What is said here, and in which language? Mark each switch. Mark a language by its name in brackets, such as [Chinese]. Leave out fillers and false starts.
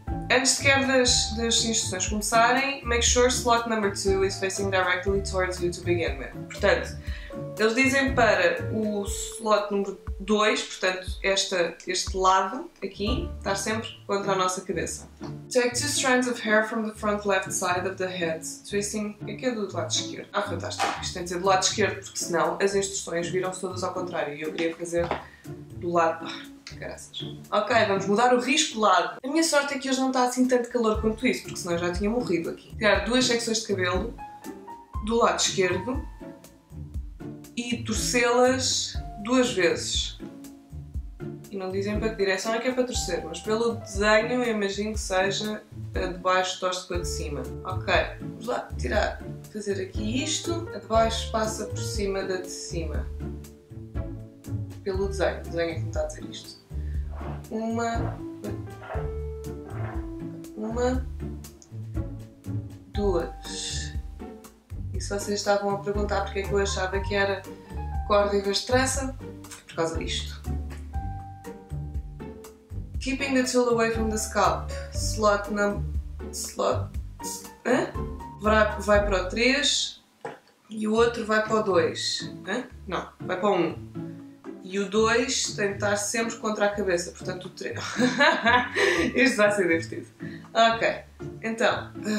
[Portuguese] antes sequer das instruções começarem, [English] make sure slot number 2 is facing directly towards you to begin with. [Portuguese] Portanto, eles dizem para o slot número 2, portanto, este lado aqui, estar sempre contra a nossa cabeça. [English] Take 2 strands of hair from the front left side of the head, twisting. [Portuguese] Aqui é do lado esquerdo. Ah, fantástico. Isto tem de ser do lado esquerdo, porque senão as instruções viram-se todas ao contrário e eu queria fazer do lado. Graças. Ok, vamos mudar o risco de lado. A minha sorte é que hoje não está assim tanto calor quanto isso, porque senão eu já tinha morrido aqui. Tirar duas secções de cabelo do lado esquerdo e torcê-las duas vezes. E não dizem para que direção é que é para torcer, mas pelo desenho eu imagino que seja a de baixo torce para de cima. Ok, vamos lá tirar, fazer aqui isto, a de baixo passa por cima da de cima. Pelo desenho, o desenho é que me está a dizer isto. Uma, duas. E se vocês estavam a perguntar porque é que eu achava que era corda em vez de trança, foi por causa disto. [English] Keeping the tool away from the scalp. Slot num. Slot. Hã? [Portuguese] Vai para o 3 e o outro vai para o 2. Hã? Não, vai para o 1. E o 2 tem de estar sempre contra a cabeça, portanto o 3. Isto vai ser divertido. Ok, então.